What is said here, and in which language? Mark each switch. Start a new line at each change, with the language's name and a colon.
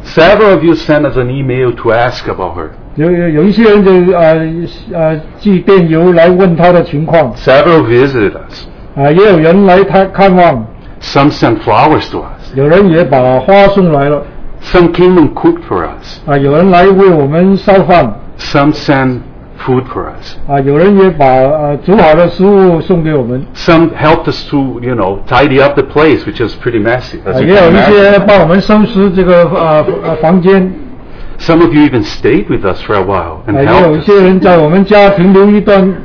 English: Several of you sent us an email to ask about her.
Chinese: 有一些人就寄电邮来问她的情况。
English: Several visited us.
Chinese: 也有人来看望。
English: Some sent flowers to us.
Chinese: 有人也把花送来了。
English: Some came and cooked for us.
Chinese: 有人来为我们烧饭。
English: Some sent food for us.
Chinese: 有人也把煮好的食物送给我们。
English: Some helped us to, you know, tidy up the place, which is pretty messy.
Chinese: 也有一些帮我们收拾这个房间。
English: Some of you even stayed with us for a while and helped us.
Chinese: 也有一些人在我们家停留一段